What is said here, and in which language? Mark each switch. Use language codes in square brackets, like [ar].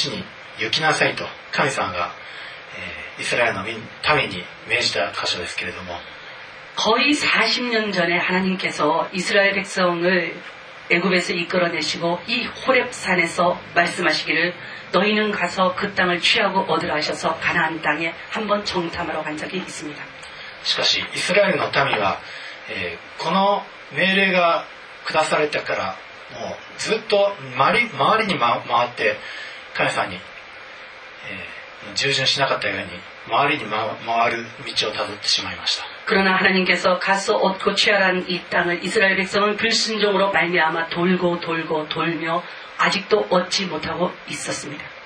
[ja] この今お読みしたところはずっと昔ホレブの山でいざホレブから出てこの約束の地に行きなさいと神様が [ko] 이스라엘의민타민이명시다 [ja] 箇所ですけれども [ko] 거의 40년 전에 하나님께서 이스라엘 백성을 애굽에서 이끌어내시고 이 호렙산에서 말씀하시기를 너희는 가서 그 땅을 취하고 얻으라 하셔서 가나안 땅에 한번 정탐하러 간 적이 있습니다. [ja] しかし 이스라엘の民はこの命令が下されたからもうずっと周りに回って神様に従順しなかったように 周りに回る道をたどってしまいました。 [ko] 그러나 하나님께서 가서 얻고 취하라는 이 땅을 이스라엘 백성은 불순종으로 말미암아 돌고 돌고 돌며 아직도 얻지 못하고 있었습니다.